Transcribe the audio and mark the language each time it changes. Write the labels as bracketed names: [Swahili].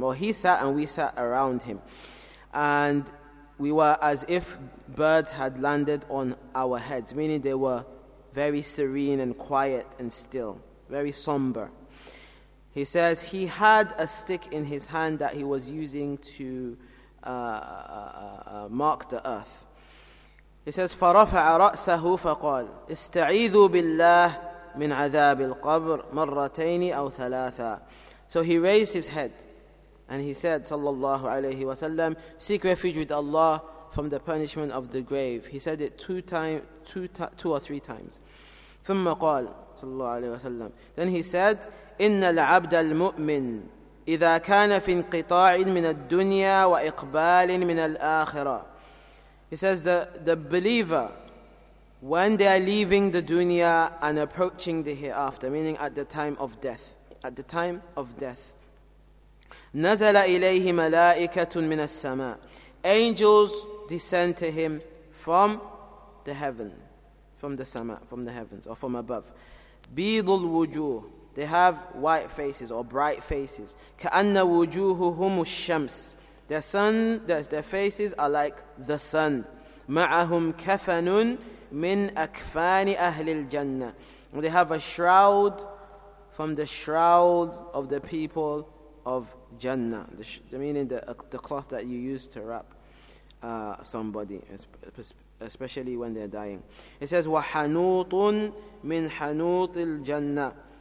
[English] Well, he sat and we sat around him. And we were as if birds had landed on our heads, meaning they were very serene and quiet and still, very somber. He says he had a stick in his hand that he was using to mark the earth. He says, [Arabic] فَرَفَعَ رَأْسَهُ فَقَالَ اسْتَعِيذُوا بِاللَّهِ مِنْ عَذَابِ الْقَبْرِ مَرَّتَيْنِ أَوْ ثَلَاثًا. [English] So he raised his head and he said, sallallahu alayhi wa sallam, seek refuge with Allah from the punishment of the grave. He said it two or three times. [Arabic] ثُمَّ قَالَ [English] sallallahu alayhi wa sallam. Then he said, [Arabic] إِنَّ الْعَبْدَ الْمُؤْمِنِ إِذَا كَانَ فِي انْقِطَاعٍ مِنَ الدُّنْيَا وَإِقْبَالٍ مِنَ الْآخِرَةِ. [English] He says the believer, when they are leaving the dunya and approaching the hereafter, meaning at the time of death, at the time of death, [Arabic] نَزَلَ إِلَيْهِ مَلَائِكَةٌ مِنَ السَّمَاءِ. [English] Angels descend to him from the heaven, from the sama, from the heavens or from above. [Arabic] بِيضُ الْوُجُوهِ. [English] They have white faces or bright faces. [Arabic] كَأَنَّ وُجُوهُهُمُ الشَّمْسِ. [English] Their faces are like the sun. [Arabic] مَعَهُمْ كَفَنٌ مِنْ أَكْفَانِ أَهْلِ الْجَنَّةِ. [English] They have a shroud from the shroud of the people of Jannah. Meaning the cloth that you use to wrap somebody, especially when they're dying. It says, [Arabic] وَحَنُوطٌ مِنْ حَنُوطِ الْجَنَّةِ.